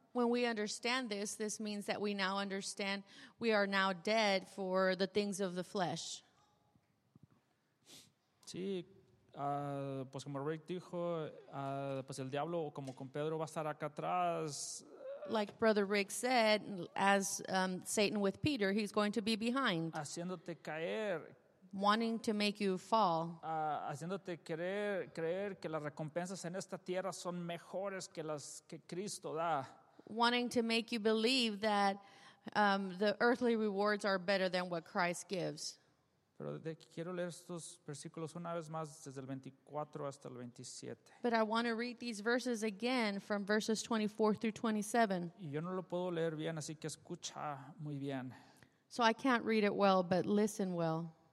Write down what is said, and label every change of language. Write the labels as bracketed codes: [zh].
[en] When we understand this, this means that we now understand we are now dead for the things of the flesh. [es] Sí, pues como Rick dijo, pues el diablo como con Pedro va a estar acá atrás. [en] Like Brother Rick said, as Satan with Peter, he's going to be behind. [es] Haciéndote caer. [en] Wanting to make you fall. [es] Haciéndote creer que las recompensas en esta tierra son mejores que las que Cristo da. [en] Wanting to make you believe that the earthly rewards are better than what Christ gives. [es] Pero quiero leer estos versículos una vez más desde el 24 hasta el 27. [en] But I want to read these verses again from verses 24 through 27. [es] Y yo no lo puedo leer bien, así que escucha muy bien. [en] So I can't read it well, but listen well.